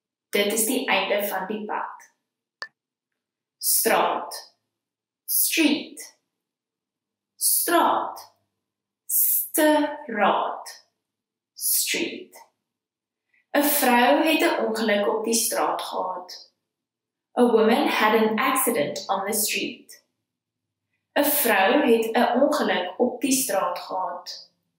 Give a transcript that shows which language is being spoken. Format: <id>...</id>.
<af>Dit is die einde van die pad. Straat.</af> <en>Street.</en> <af>Straat. Straat.</af> <en>Street.</en> <af>'N vrou het 'n ongeluk op die straat gehad.</af> <en>A woman had an accident on the street.</en> <af>'N vrou het 'n ongeluk op die straat gehad.</af>